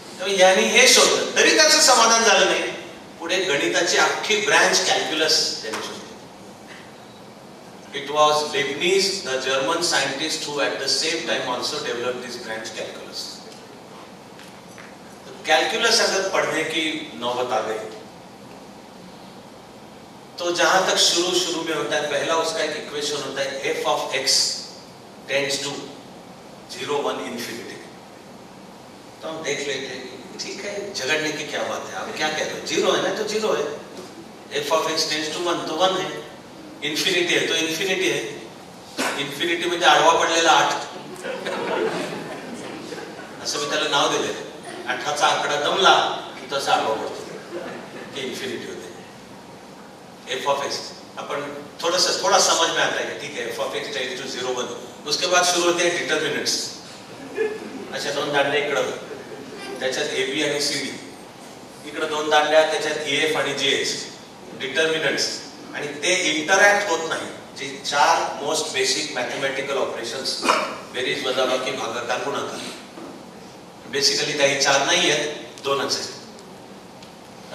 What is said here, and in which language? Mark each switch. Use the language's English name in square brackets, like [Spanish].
[Marathi] यांनी हे शोधलं तरी त्याचं समाधान झालं नाही, पुढे गणिताची अख्खी ब्रँच कॅल्क्युलस त्यांनी शोधली। [English] It was Leibniz the German scientist who at the same time also develop this branch calculus. [Hindi] Calculus अगर पढणे की नौबत आ गई तो जहां तक शुरू शुरू में होता है, पहला उसका एक इक्वेशन होता है f of x tends to 0 1 infinity, तो हम देख लेते हैं ठीक है झगड़ने की क्या बात है, आप क्या कह रहे हो, 0 है ना तो 0 है, f of x tends to 1 तो 1 है, इनफिनिटी है तो इनफिनिटी है, [Marathi] इनफिनिटी म्हणजे आडवा पडलेला 8 असं मी त्याला नाव दिलं, 8 चा आकडा दमला तसा आडवा पडतो। [Hindi] के इन्फिनिटी होते हैं एफ ऑफ एक्स, अपन थोड़ा समझ में आता है ठीक है F of x tend to zero बन, उसके बाद शुरू होते हैं डिटरमिनेंट्स। [Marathi] अच्छा दोन दांडे इकड़ त्याच्यात ए बी आणि सी डी, इकडे दोन दांडे आहेत त्याच्यात ए एफ आणि जे एच डिटरमिनंट्स, आणि ते इंटरॅक्ट होत नाही। जे चार मोस्ट बेसिक मॅथमॅटिकल ऑपरेशन्स बेरीज वजाबाकी भागाकार गुणाकार बेसिकली काही चार नाही आहेत, दोनच आहेत।